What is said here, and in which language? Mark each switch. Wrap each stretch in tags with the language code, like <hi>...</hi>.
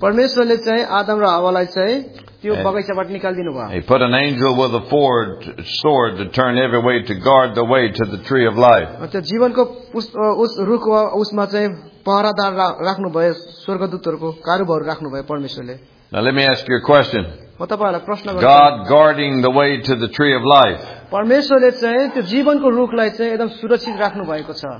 <ne>परमेश्वरले चाहिँ आदम र हवालाई चाहिँ त्यो बगैँचाबाट निकालिदिनु भयो</ne> <en>He put an angel with a forged sword to turn every way to guard the way to the tree of life.</en> <ne>त्यो जीवनको उस रुख उसमा चाहिँ पहरादार राख्नुभयो स्वर्गदूतहरूको कारुभार राख्नुभयो परमेश्वरले</ne> <en>Now let me ask you a question.</en> <ne>म तपाईँलाई प्रश्न गर्छु</ne> <en>God guarding the way to the tree of life.</en> <ne>परमेश्वरले चाहिँ त्यो जीवनको रुखलाई चाहिँ एकदम सुरक्षित राख्नु भएको छ</ne>